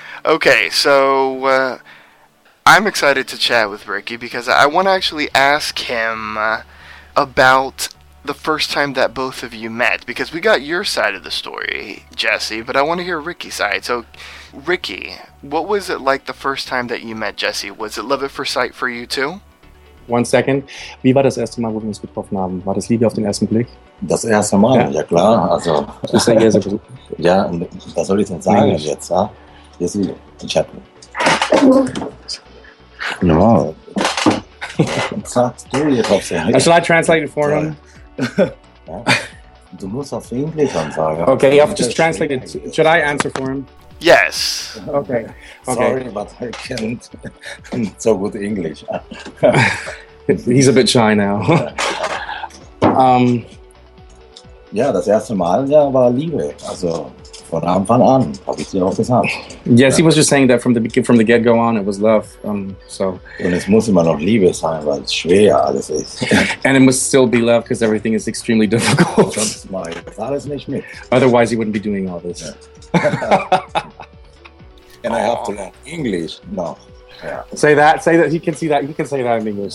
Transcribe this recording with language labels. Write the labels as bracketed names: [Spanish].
[English] Okay, so I'm excited to chat with Ricky because I want to actually ask him about the first time that both of you met, because we got your side of the story, Jesse, but I want to hear Ricky's side. So, Ricky, what was it like the first time that you met Jesse? Was it love at first sight for you too? One second. [German] Wie war das erste Mal, wo wir uns getroffen haben? War das Liebe auf den ersten Blick? Das erste Mal, ja klar. Also, ja, und was soll ich denn sagen Englisch. Jetzt? Ja? Jesse, ich hab. Normal. Sagst du jetzt auf Englisch? [English] Shall I translate it for him? [German] Ja. Du musst auf Englisch anfangen. [English] Okay, I've just translated. Should I answer for him? Yes. Okay. Sorry, but I can't so good English. He's a bit shy now. [German] Ja, das erste Mal, ja, war Liebe. Also von Anfang an habe ich sie auch gesagt. [English] Yes, ja. He was just saying that from the get go on, it was love. So. [German] Und es muss immer noch Liebe sein, weil es schwer alles ist. [English] And it must still be love because everything is extremely difficult. [German] Sonst mache ich das alles nicht mit. [English] Otherwise, he wouldn't be doing all this. Ja. And aww. I have to learn English. No. Yeah. Say that. You can see that. You can say that in English.